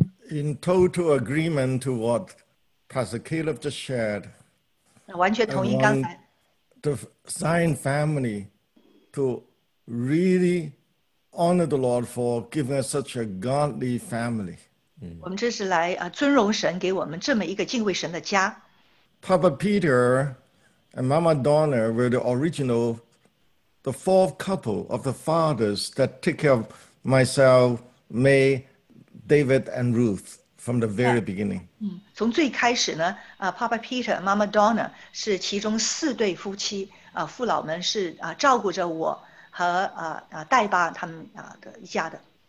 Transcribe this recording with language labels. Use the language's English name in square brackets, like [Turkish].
[English] In total agreement to what Pastor Caleb just shared, [Chinese] 完全同意刚才, [English] the Zion family to really honor the Lord for giving us such a godly family. [Chinese] 我们这是来, 尊荣神给我们这么一个敬畏神的家。 [English] Papa Peter and Mama Donna were the original, the fourth couple of the fathers that take care of myself, May, David, and Ruth from the very beginning. [Chinese] 从最开始呢, Papa Peter, Mama Donna 是其中四对夫妻, 父老们是, 照顾着我和, 代爸他们, 一家的。